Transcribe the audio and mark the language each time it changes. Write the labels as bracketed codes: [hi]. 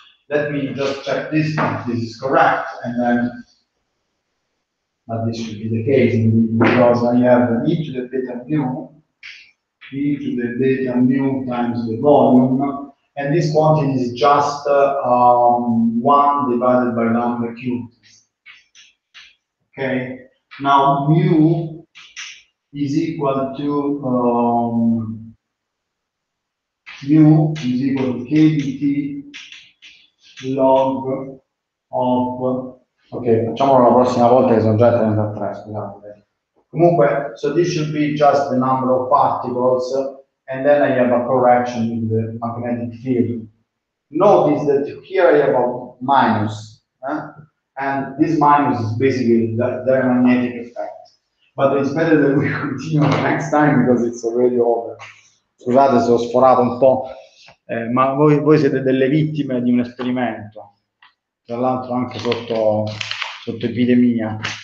[en] Let me just check this, if this is correct, and then this should be the case, because I have e to the beta mu, e to the beta mu times the volume, and this quantity is just 1 divided by lambda cubed. Okay, now mu is equal to mu is equal to kbt log of, okay, [it] facciamo la prossima volta che sono già 33, scusate. Comunque, [en] so this should be just the number of particles, and then I have a correction in the magnetic field. Notice that here I have a minus, and this minus is basically the magnetic effect. But it's better that we continue next time because it's already over. [it] Scusate se ho sforato un po', ma voi siete delle vittime di un esperimento, tra l'altro anche sotto epidemia.